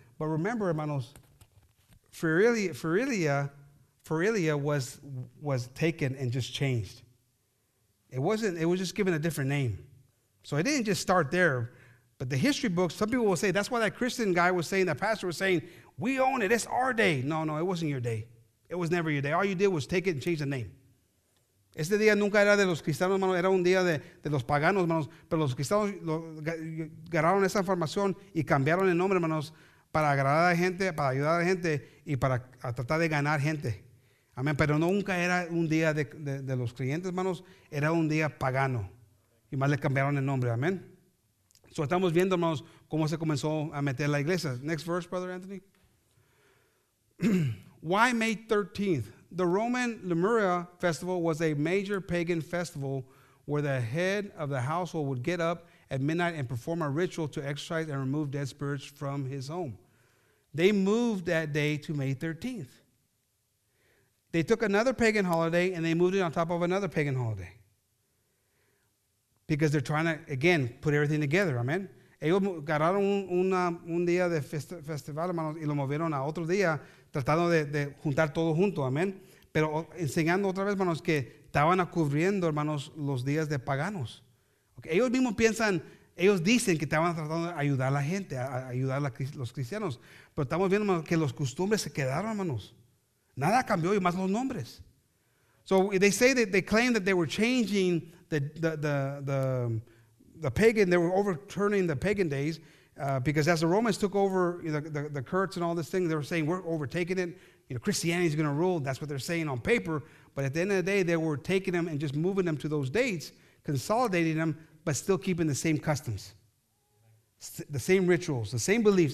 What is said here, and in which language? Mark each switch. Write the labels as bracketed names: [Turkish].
[English] But remember, hermanos, Feralia was taken and just changed. It was just given a different name. So it didn't just start there. But the history books, some people will say, that's why that Christian guy was saying, that pastor was saying, we own it, it's our day. No, it wasn't your day. It was never your day. All you did was take it and change the name. [Spanish] Este día nunca era de los cristianos, hermanos, era un día de los paganos, hermanos, pero los cristianos agarraron esa información y cambiaron el nombre, hermanos, para agradar a la gente, para ayudar a la gente y para tratar de ganar gente. Amén, pero nunca era un día de los creyentes, hermanos, era un día pagano y más le cambiaron el nombre, amén. So estamos viendo, hermanos, cómo se comenzó a meter la iglesia. [English] Next verse, Brother Anthony. Why May 13th? The Roman Lemuria Festival was a major pagan festival where the head of the household would get up at midnight and perform a ritual to exorcise and remove dead spirits from his home. They moved that day to May 13th. They took another pagan holiday and they moved it on top of another pagan holiday. Because they're trying to, again, put everything together, amen? [Spanish] Ellos agarraron un día de festival, hermanos, y lo movieron a otro día, tratando de juntar todo junto, amen? Pero enseñando otra vez, hermanos, que estaban cubriendo, hermanos, los días de paganos. Okay. Ellos mismos piensan, ellos dicen que estaban tratando de ayudar a la gente, a ayudar a los cristianos. Pero estamos viendo, hermanos, que los costumbres se quedaron, hermanos. Nada cambió, y más los nombres. [English] So they say that they claim that they were changing the pagan, they were overturning the pagan days because as the Romans took over the Kurds and all this thing, they were saying, we're overtaking it. You know, Christianity is going to rule. That's what they're saying on paper. But at the end of the day, they were taking them and just moving them to those dates, consolidating them, but still keeping the same customs, the same rituals, the same beliefs.